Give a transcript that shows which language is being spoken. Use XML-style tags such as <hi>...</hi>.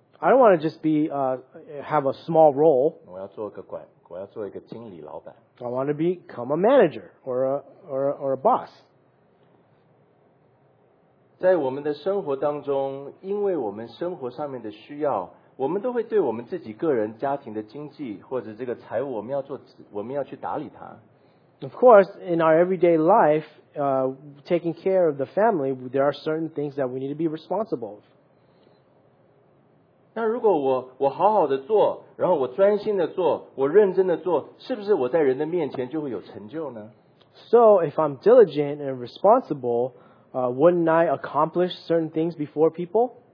<en>I don't want to just be, have a small role.</en> <zh>我要做一个管，我要做一个经理老板。</zh> <en>I want to become a manager or a boss.</en> <zh>在我们的生活当中，因为我们生活上面的需要，我们都会对我们自己个人家庭的经济或者这个财务，我们要去打理它。</zh> <en>Of course, in our everyday life, taking care of the family, there are certain things that we need to be responsible of.</en> <zh>那如果我好好的做，然后我专心的做，我认真的做，是不是我在人的面前就会有成就呢？</zh> <en>So if I'm diligent and responsible, wouldn't I accomplish certain things before people?</en>